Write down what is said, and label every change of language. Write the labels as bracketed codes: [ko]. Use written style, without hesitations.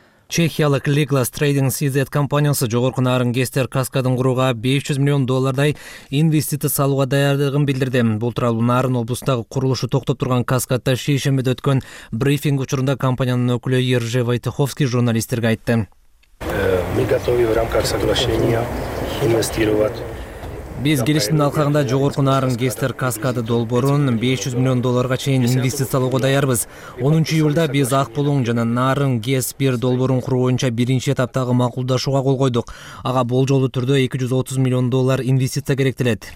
[ky] Чехиялык Legal Trading CZ компаниясы жогорку нарын гестер каскадын курууга 500 миллион доллардай инвестиция салууга даярдыгын билдирди. Бул тууралуу нарын облусундагы курулушу токтоп турган каскадда шейшембиде өткөн брифинг учурунда компаниянын өкүлү Ержев Айтыховский журналисттерге айтты. [ru] Мы готовы в рамках соглашения инвестировать. [ky] Биз келишимдин алкагында жогорку нарын гестер каскады долбоорун 500 миллион долларга чейин инвестициялоого даярбыз. 10-июлда биз ак булуң жана нарын гес бир долбоорун куруу боюнча биринчи этаптагы макулдашууга кол койдук. Ага болжолдуу түрдө 230 миллион доллар инвестиция керектелет.